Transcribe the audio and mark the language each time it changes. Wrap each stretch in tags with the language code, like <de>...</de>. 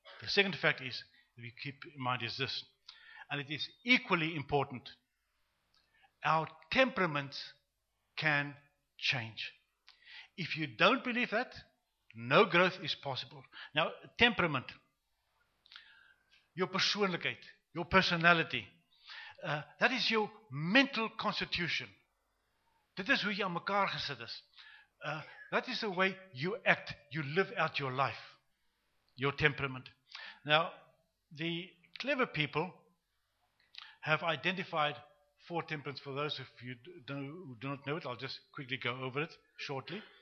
<en>The second fact is, if you keep in mind, is this, and it is equally important, our temperaments can change. If you don't believe that, no growth is possible. Now, temperament, your persoonlikheid, your personality, that is your mental constitution.</en> <af>Dit is hoe jy aan mekaar gesit is.</af> <en>That is the way you act, you live out your life, your temperament. Now, the clever people have identified four temperaments. For those of you who do not know it, I'll just quickly go over it shortly.</en>